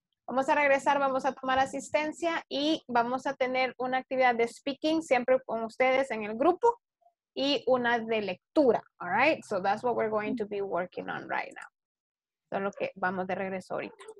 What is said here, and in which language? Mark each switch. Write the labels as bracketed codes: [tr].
[es] Vamos a regresar, vamos a tomar asistencia y vamos a tener una actividad de speaking siempre con ustedes en el grupo y una de lectura, all right? [en] So that's what we're going to be working on right now. [es] Eso es lo que vamos de regreso ahorita.